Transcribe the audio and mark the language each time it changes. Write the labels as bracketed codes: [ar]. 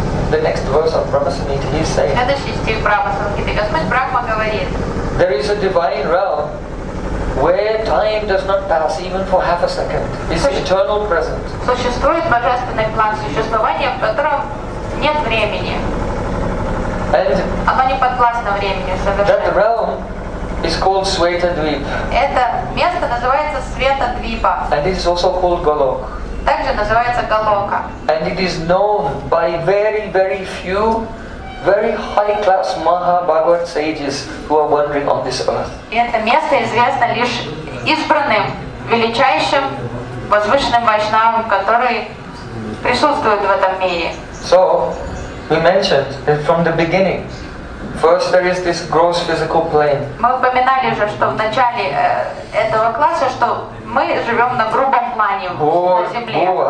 [en] The next verse of Brahma Samhita, he is saying, there is a divine realm where time does not pass even for half a second. It's the eternal present. [ru] Существует божественный план существования, в котором нет времени. [en] And [ru] оно не подвластно времени совершенно. [en] That realm is called Sweta Dvip. [ru] Это место называется Света Двипа. [en] And it is also called Golok. [ru] Также называется Голока. [en] And it is known by very, very few, very high class Mahabharat sages who are wandering on this earth. [ru] И это место известно лишь избранным, величайшим, возвышенным вайшнавам, которые присутствуют в этом мире. [en] So, we mentioned that from the beginning, first there is this gross physical plane. [ru] Мы упоминали уже, что в начале этого класса, что мы живем на грубом плане, на земле.